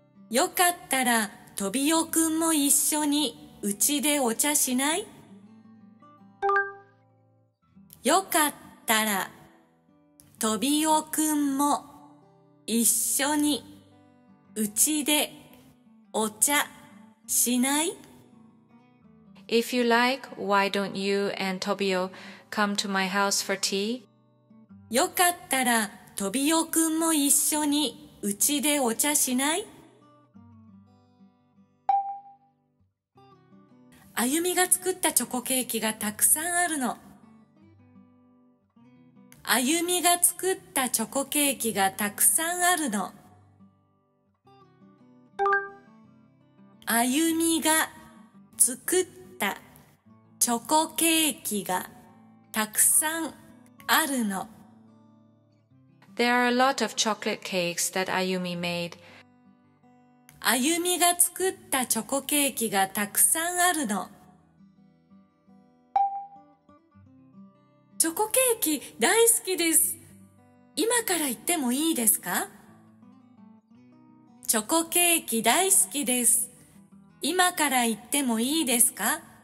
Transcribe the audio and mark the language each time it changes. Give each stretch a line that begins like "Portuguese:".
Japanese: よかったら、トビオくんも一緒にうちでお茶しない？よかったら、トビオくんも一緒にうちでお茶しない？
English: If you like, why don't you and Tobio come to my house for tea?
Japanese: よかったら、トビオくんも一緒にうちでお茶しない？あゆみが作ったチョコケーキがたくさんあるの。あゆみが作ったチョコケーキがたくさんあるの。あゆみが作ったチョコケーキがたくさんあるの。
English: There are a lot of chocolate cakes that Ayumi made.
Japanese: あゆみが作ったチョコケーキがたくさんあるの。チョコケーキ大好きです。今から行ってもいいですか？チョコケーキ大好きです。今から行ってもいいですか？